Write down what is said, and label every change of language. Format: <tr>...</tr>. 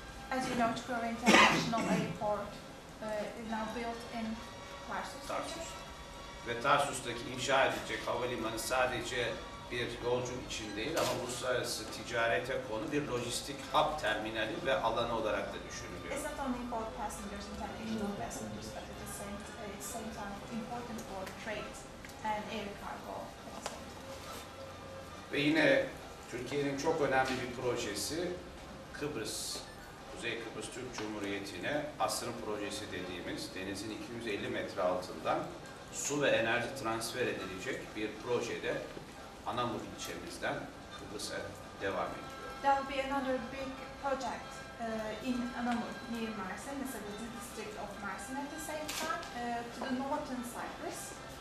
<en>As you know, Çukurova International Airport is now built in Tarsus.</en> <tr>Ve Tarsus'taki inşa edilecek havalimanı sadece bir yolcu için değil ama uluslararası ticarete konu bir lojistik hub terminali ve alanı olarak da düşünülüyor.</tr> <en>It's not only for passengers and international passengers, but at the same time important for trade and air cargo.</en> <tr>Ve yine Türkiye'nin çok önemli bir projesi Kıbrıs, Kuzey Kıbrıs Türk Cumhuriyeti'ne asrın projesi dediğimiz denizin 250 metre altından su ve enerji transfer edilecek bir projede Anamur ilçemizden Kıbrıs'a devam ediyor.</tr> <en>There will be another big project in Anamur near Mersin, it's a district of Mersin at the same time, to the northern Cyprus.</en>